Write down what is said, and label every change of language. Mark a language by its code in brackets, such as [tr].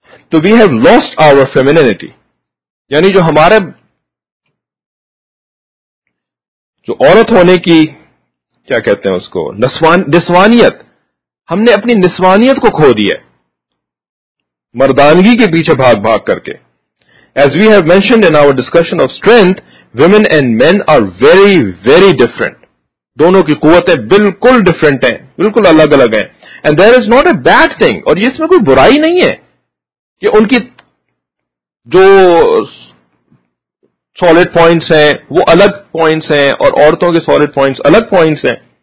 [ur] تو [en] we have lost our femininity, [ur] یعنی جو ہمارے جو عورت ہونے کی کیا کہتے ہیں اس کو نسوانیت, ہم نے اپنی نسوانیت کو کھو دیا مردانگی کے پیچھے بھاگ بھاگ کر کے. [en] As we have mentioned in our discussion of strength, women and men are very, very different. [ur] دونوں کی قوتیں بالکل different ہیں, بالکل الگ الگ ہیں. [en] And there is not a bad thing, [ur] اور یہ اس میں کوئی برائی نہیں ہے کہ ان کی جو solid points ہیں وہ الگ points ہیں اور عورتوں کے solid points الگ points ہیں.